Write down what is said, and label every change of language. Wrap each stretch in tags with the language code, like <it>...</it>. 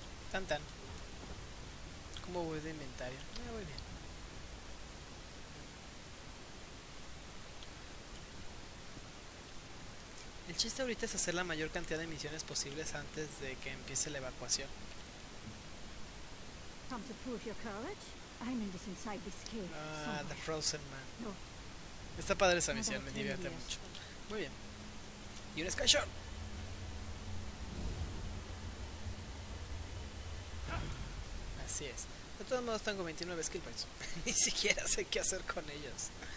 <es>Tan tan. ¿Cómo voy de inventario? Voy bien. El chiste ahorita es hacer la mayor cantidad de misiones posibles antes de que empiece la evacuación.</es> <en>Come to prove your courage. I'm in this inside this cave. The Frozen Man. No.</en> <es>Está padre esa misión, me divierte mucho. Muy bien. Y un sky shot. Así es. De todos modos tengo 29 skill points. Ni siquiera sé qué hacer con ellos.</es>